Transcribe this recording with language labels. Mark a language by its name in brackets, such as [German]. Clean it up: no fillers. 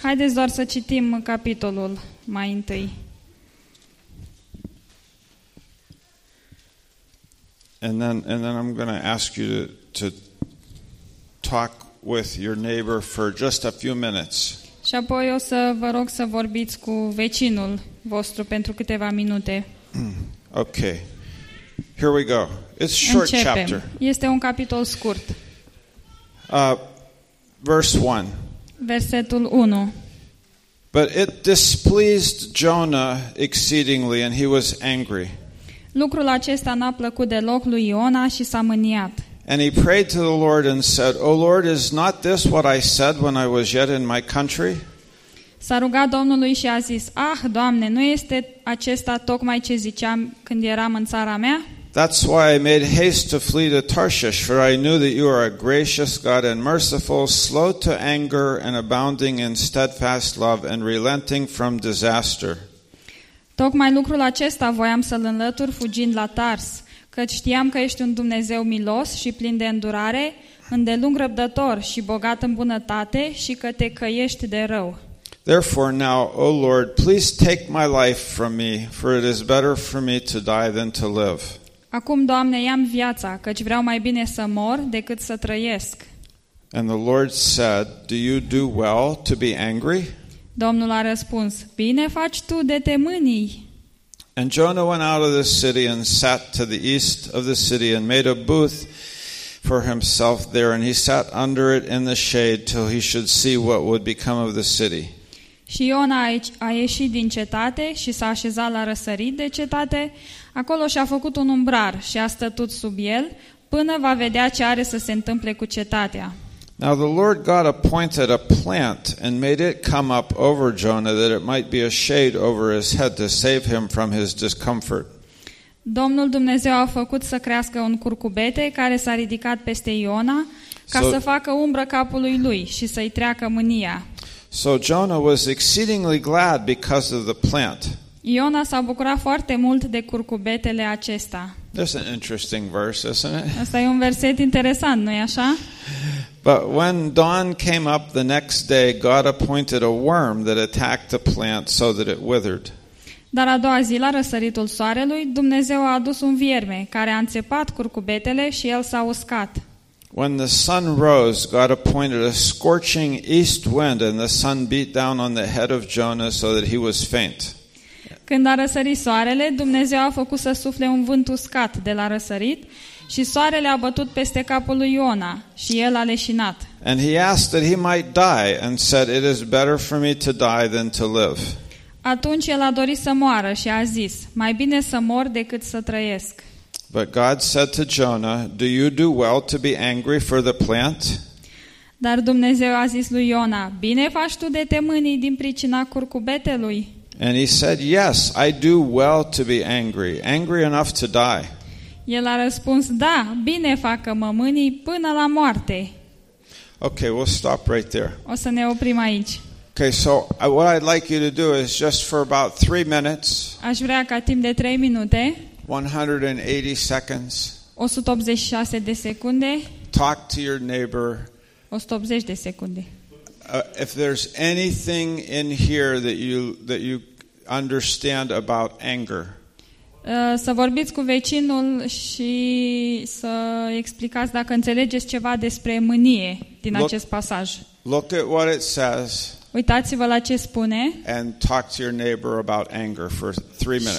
[Romanian] Haideți doar să citim capitolul mai întâi. [English] And then I'm going to ask you to talk with your neighbor for just a few minutes. [Romanian] Și apoi o să vă rog să vorbiți cu vecinul vostru pentru câteva minute. [English] Okay. Here we go. It's a short [Romanian] Începem. [English] Chapter. [Romanian] Este un capitol scurt. [English] Verse 1. [Romanian] Versetul 1. [English] But it displeased Jonah exceedingly and he was angry. [Romanian] Lucrul acesta n-a plăcut deloc lui Iona și s-a mâniat. [English] And he prayed to the Lord and said, O Lord, is not this what I said when I was yet in my country? [Romanian] S-a rugat Domnului și a zis, Ah, Doamne, nu este acesta tocmai ce ziceam când eram în țara mea? [English] That's why I made haste to flee to Tarshish, for I knew that you are a gracious God and merciful, slow to anger and abounding in steadfast love and relenting from disaster. [Romanian] Tocmai lucrul acesta voiam să-l înlătur fugind la Tars, căci știam că ești un Dumnezeu milos și plin de îndurare, îndelung răbdător și bogat în bunătate și că te căiești de rău. [English] Therefore now, O Lord, please take my life from me, for it is better for me to die than to live. [Romanian] Acum, Doamne, ia-mi viața, căci vreau mai bine să mor decât să trăiesc. [English] And the Lord said, do you do well to be angry? [Romanian] Domnul a răspuns, bine faci tu de te mânii. [English] And Jonah went out of the city and sat to the east of the city and made a booth for himself there, and he sat under it in the shade till he should see what would become of the city. [Romanian] Și Iona a ieșit din cetate și s-a așezat la răsărit de cetate. Acolo și-a făcut un umbrar și a stătut sub el până va vedea ce are să se întâmple cu cetatea. [English] Now the Lord God appointed a plant and made it come up over Jonah that it might be a shade over his head to save him from his discomfort. [Romanian] Domnul Dumnezeu a făcut să crească un curcubete care s-a ridicat peste Iona ca să facă umbră capului lui și să-i treacă mânia. [English] So Jonah was exceedingly glad because of the plant. [Romanian] Iona s-a bucurat foarte mult de curcubetele acesta. [English] That's an interesting verse, isn't it? [Romanian] Asta e un verset interesant, nu-i așa? [English] But when dawn came up the next day, God appointed a worm that attacked the plant so that it withered. [Romanian] Dar a doua zi, la răsăritul soarelui, Dumnezeu a adus un vierme care a înțepat curcubetele și el s-a uscat. [English] When the sun rose, God appointed a scorching east wind and the sun beat down on the head of Jonah so that he was faint. [Romanian] Când a răsărit soarele, Dumnezeu a făcut să sufle un vânt uscat de la răsărit și soarele a bătut peste capul lui Iona și el a leșinat. [English] And he asked that he might die and said, it is better for me to die than to live. [Romanian] Atunci el a dorit să moară și a zis, mai bine să mor decât să trăiesc. [English] But God said to Jonah, do you do well to be angry for the plant? [Romanian] Dar Dumnezeu a zis lui Iona, bine faci tu de te mânii din pricina curcubetelui. [English] And he said, yes, I do well to be angry, angry enough to die. [Romanian] El a răspuns, da, bine fac că mă mânii până la moarte. [English] Okay, we'll stop right there. [Romanian] O să ne oprim aici. [English] Okay, so what I'd like you to do is just for about 3 minutes. [Romanian] Aș vrea ca timp de 3 minute. [English] 180 seconds. [Romanian] 186 de secunde. [English] Talk to your neighbor. [Romanian] 180 de secunde. [English] If there's anything in here that you understand about anger. [Romanian] Să vorbiți cu vecinul și să explicați dacă înțelegeți ceva despre mânie din acest pasaj. [English] Look at what it says. [Romanian] Uitați-vă la ce spune. [English] And talk to your neighbor about anger for 3 minutes.